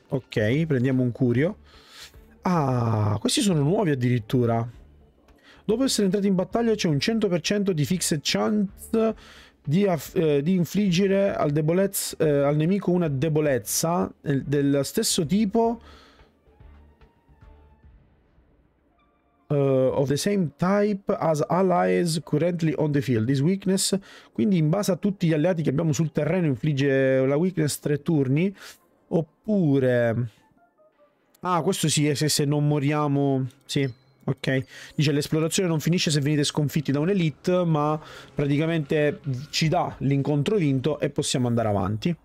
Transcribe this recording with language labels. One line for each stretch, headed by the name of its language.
Italian: Ok, prendiamo un Curio. Ah, questi sono nuovi addirittura. Dopo essere entrati in battaglia c'è un 100% di fixed chance di infliggere al nemico una debolezza del stesso tipo.
English: Of the same type as allies currently on the field. This weakness,
Italian: quindi in base a tutti gli alleati che abbiamo sul terreno, infligge la weakness 3 turni. Oppure, ah, questo sì, se non moriamo, sì, ok. Dice l'esplorazione non finisce se venite sconfitti da un'elite, ma praticamente ci dà l'incontro vinto e possiamo andare avanti.